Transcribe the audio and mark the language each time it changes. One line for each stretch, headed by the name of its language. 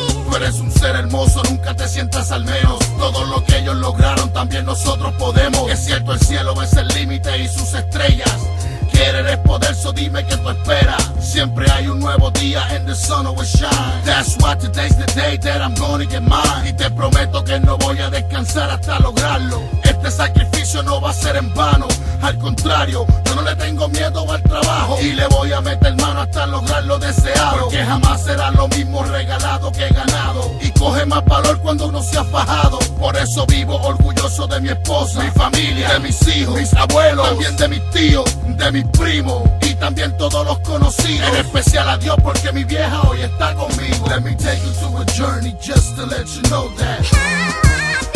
Spanish: Tú eres un ser hermoso, nunca te sientas al menos. Todo lo que ellos lograron también nosotros podemos. Es cierto, el cielo es el límite y sus estrellas. Quieres el poder, so dime que tú esperas. Siempre hay un nuevo día
English: and the sun always shine. That's why today's the day that I'm gonna get mine.
Spanish: Y te prometo que no voy a descansar hasta lograrlo. Este sacrificio no va a ser en vano. Al contrario, yo no le tengo miedo al trabajo. Y le voy a meter mano hasta lograr lo deseado. Porque jamás será lo mismo regalado que ganado. Y coge más valor cuando uno se ha fajado. Por eso vivo orgulloso de mi esposa, mi familia, de mis hijos, mis abuelos, también de mis tíos, de mis primos y también todos los conocidos. En especial a Dios porque mi vieja hoy está conmigo.
English: Let me take you to a journey just to let you know that.